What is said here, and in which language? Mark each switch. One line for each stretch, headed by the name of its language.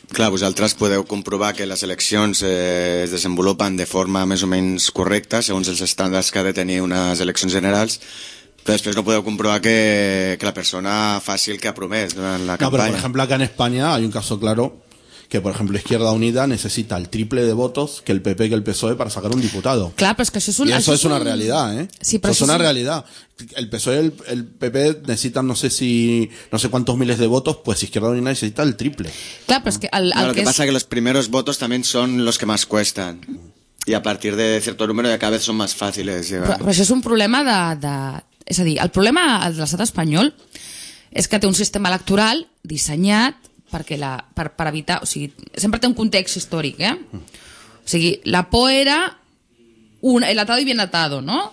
Catalan: Clar, vosaltres podeu comprovar que les eleccions es desenvolupen de forma més o menys correcta, segons els estàndards que ha de tenir unes eleccions generals, però després no podeu comprovar que la persona faci el que ha promès durant la campanya. No, però, per exemple, aquí en Espanya hi ha un cas clar que, per exemple, Izquierda Unida necessita el triple de votos que el PP que el PSOE per sacar un diputat. Clar, però és que això és una... I això és una realitat, eh? Sí, però... Això és una realitat.
Spanish: El PSOE, el PP necesitan no sé si no sé cuántos miles de votos, pues Izquierda Unida necesita el triple. Claro, pues que al claro, que pasa es... que los primeros votos también son los que más cuestan. Y a partir de cierto número ya cada vez son más fáciles. Pues es un problema de
Catalan: es a dir, el problema de l'estat espanyol és que té un sistema electoral dissenyat perquè la per evitar, o sigui, sempre té un context històric, eh? O sigui, la por era un,
Spanish: el atado y bien atado,
Catalan: no?